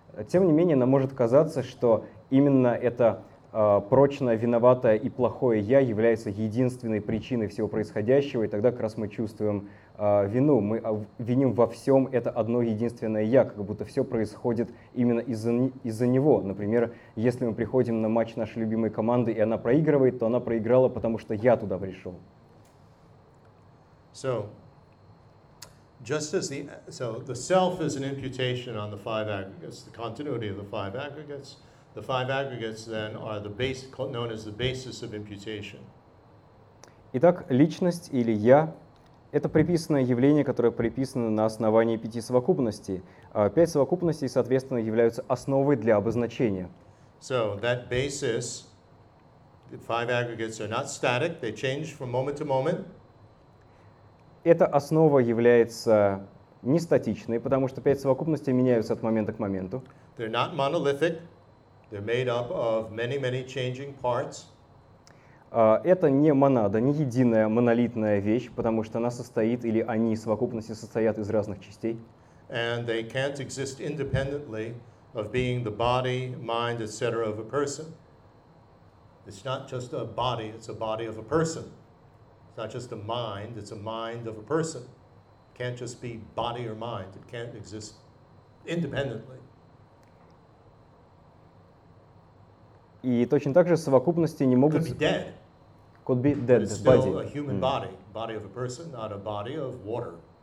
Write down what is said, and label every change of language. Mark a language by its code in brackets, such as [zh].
[ru] Тем не менее, нам может казаться, что именно это прочное, виноватое и плохое «я» является единственной причиной всего происходящего, и тогда как раз мы чувствуем вину. Мы виним во всем это одно единственное «я», как будто все происходит именно из-за него. Например, если мы приходим на матч нашей любимой команды, и она проигрывает, то она проиграла, потому что я туда пришел. [en] So. Just as the self is an imputation on the five aggregates, the continuity of the five aggregates then are the base, known as the basis of imputation. [ru] Итак, личность или я — это приписанное явление, которое приписано на основании пяти совокупностей. Пять совокупностей, соответственно, являются основой для обозначения. [en] So that basis, the five aggregates are not static; they change from moment to moment. [ru] Эта основа является не статичной, потому что пять совокупностей меняются от момента к моменту. [en] They're not monolithic. They're made up of many, many changing parts. [ru] Это не монада, не единая монолитная вещь, потому что она состоит, или они, совокупности, состоят из разных частей. [en] And they can't exist independently of being the body, mind, etc. of a person. It's not just a body, it's a body of a person. It's not just a mind, it's a mind of a person. It can't just be body or mind. It can't exist independently. [ru] И точно так же совокупности не могут... [en] Could be dead. Could be dead, but it's body. Still a human body. Body of a person, not a body of water.